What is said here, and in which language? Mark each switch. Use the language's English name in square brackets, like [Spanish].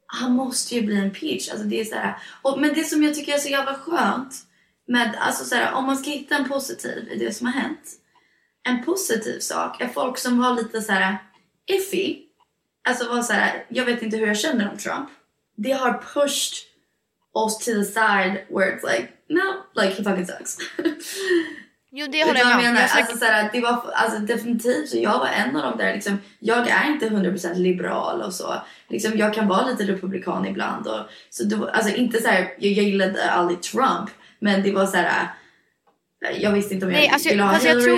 [Swedish] Han måste ju bli en peach. Alltså, det är så här. Men det som jag tycker är så jävla skönt. Med, alltså, så här, om man ska hitta en positiv i det som har hänt. En positiv sak är folk som var lite så här iffy. Alltså var så här, jag vet inte hur jag känner om Trump. [English] Det har pushed oss to the side where it's like, no, like he fucking sucks. [Swedish] Jo, det håller jag med. Definitivt, så jag var en av dem där. Liksom, jag är inte 100% liberal och så. Liksom, jag kan vara lite republikan ibland. Och, så det var, alltså, inte så här, jag gillade aldrig Trump. Men det var så här, jag visste inte om jag ville ha Hillary